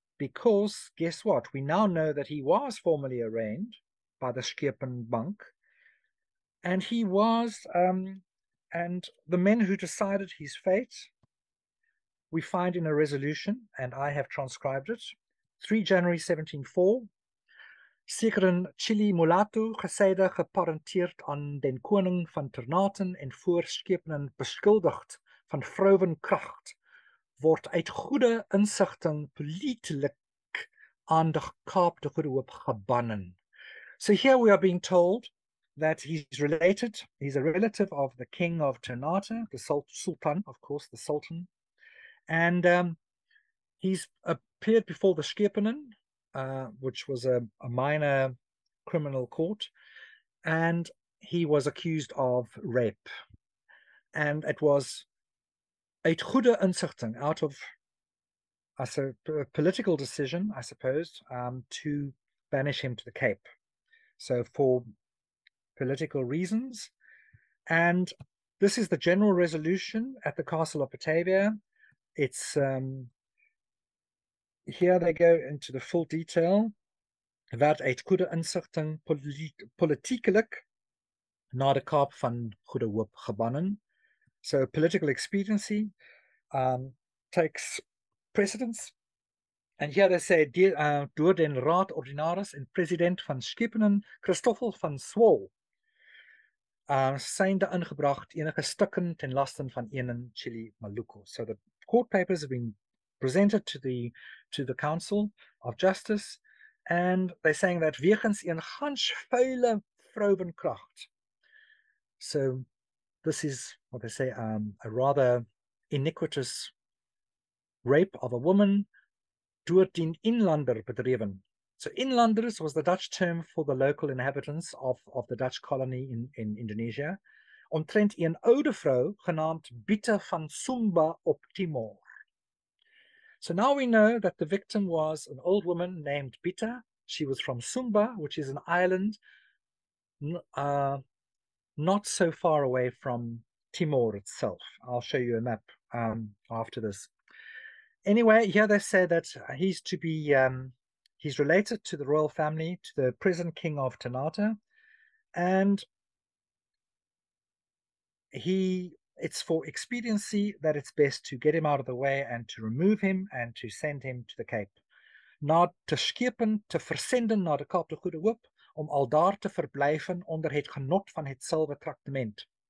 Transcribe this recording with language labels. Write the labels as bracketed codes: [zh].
[en] Because guess what? We now know that he was formally arraigned by the Schepenbank, and he was, and the men who decided his fate, we find in a resolution, and I have transcribed it, 3 January 1704. [nl] Sekeren Chili Mulatu, geseide geparenteerd aan den koning van Ternaten en voorschepenen beschuldigd van vrouwenkracht, wordt uit goede inzichten politiek aan de Kaap de Goede Hoop gebannen. [en] So here we are being told that he's related, he's a relative of the king of Ternate, the Sultan, of course, the Sultan, and he's appeared before the Schepenen, which was a minor criminal court, and he was accused of rape. And it was [nl] uit goede inzichten, [en] out of a political decision, I suppose, to banish him to the Cape. So for political reasons. And this is the general resolution at the Castle of Batavia. It's here they go into the full detail. [nl] Werd uit goede inzichten politiekelijk naar de Kaap van Goede Hoop gebannen. [en] So political expediency takes precedence. And here they say, [nl] door den Raad Ordinaris en President van Schepenen, Christoffel van Swol, zijn de ingebracht enige stukken ten lasten van Enen Chili Maluko. [en] So the court papers have been presented to the Council of Justice, and they're saying that [nl] wegens een gans vuile vrouwenkracht. [en] So this is what they say, a rather iniquitous rape of a woman, [nl] door den inlander bedreven. [en] So inlanders was the Dutch term for the local inhabitants of the Dutch colony in Indonesia. [nl] Omtrent een oude vrouw genaamd Bitte van Sumba op Timor. [en] So now we know that the victim was an old woman named Bitte. She was from Sumba, which is an island not so far away from Timor itself. I'll show you a map after this. Anyway, here they say that he's to be, he's related to the royal family, to the present king of Ternate, and it's for expediency that it's best to get him out of the way and to remove him and to send him to the Cape. [nl] Naar te Schepen te versenden naar de Kaap de Goede Hoop om al daar te verblijven onder het genot van hetzelfde tractement.